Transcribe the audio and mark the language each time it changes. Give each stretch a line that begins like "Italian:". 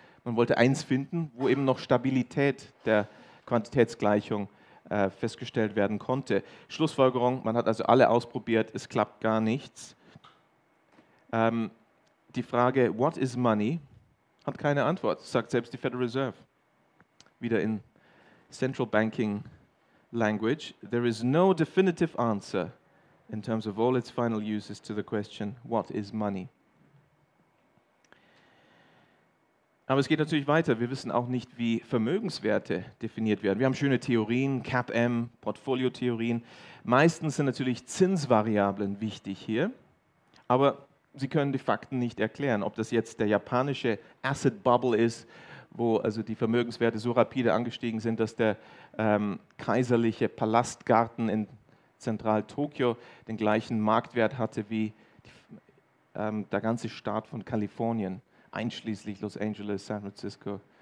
German: Man wollte eins finden, wo eben noch Stabilität der Quantitätsgleichung festgestellt werden konnte. Schlussfolgerung, man hat also alle ausprobiert, es klappt gar nichts. Die Frage,
English: what is money,
German: hat keine Antwort, sagt selbst die Federal Reserve. Wieder in
English: Central Banking Language, there is no definitive answer in terms of all its final uses to the question, what is money?
German: Aber es geht natürlich weiter. Wir wissen auch nicht, wie Vermögenswerte definiert werden. Wir haben schöne Theorien, CAPM, Portfoliotheorien. Meistens sind natürlich Zinsvariablen wichtig hier, aber sie können die Fakten nicht erklären. Ob das jetzt der japanische Asset Bubble ist, wo also die Vermögenswerte so rapide angestiegen sind, dass der kaiserliche Palastgarten in Zentral-Tokio den gleichen Marktwert hatte wie der ganze Staat von Kalifornien, einschließlich Los Angeles, San Francisco.